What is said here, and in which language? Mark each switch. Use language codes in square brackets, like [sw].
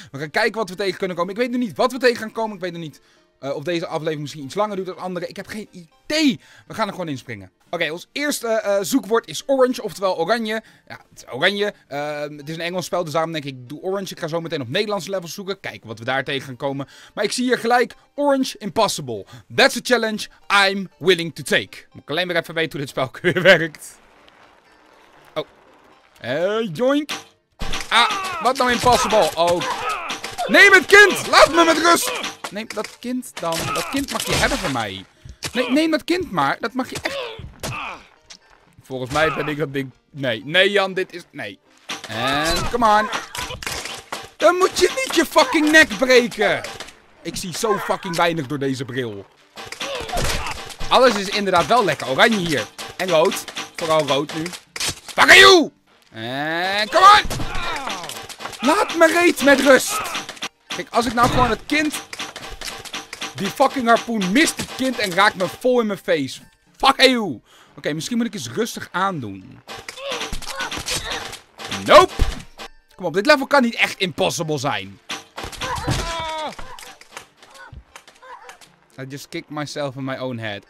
[nl] We gaan kijken wat we tegen kunnen komen. Ik weet nog niet wat we tegen gaan komen. Ik weet nog niet of deze aflevering misschien iets langer duurt dan andere. Ik heb geen idee. We gaan er gewoon inspringen. Oké, ons eerste zoekwoord is orange, oftewel oranje. Ja, het is oranje. Het is een Engels spel, dus daarom denk ik, doe orange. Ik ga zo meteen op Nederlandse levels zoeken. Kijken wat we daar tegen gaan komen. Maar ik zie hier gelijk, orange impossible. [en] That's a challenge I'm willing to take. [nl] Moet ik alleen maar even weten hoe dit spel weer werkt. Oh. Joink. Ah, wat nou impossible? Oh. Neem het kind! Laat me met rust! Neem dat kind dan. Dat kind mag je hebben van mij. Nee, neem dat kind maar. Dat mag je echt... Volgens mij ben ik dat ding... Nee. Nee, Jan, dit is... Nee. En... [en] Come on. [nl] Dan moet je niet je fucking nek breken. Ik zie zo fucking weinig door deze bril. Alles is inderdaad wel lekker. Oranje hier. En rood. Vooral rood nu. Fuck you! En... [en] Come on! [nl] Laat me reet met rust. Kijk, als ik nou gewoon het kind... Die fucking harpoen mist het kind en raakt me vol in mijn face. Fuck you! Oké, misschien moet ik eens rustig aandoen. Nope! Kom op, dit level kan niet echt impossible zijn. [en] I just kicked myself in my own head.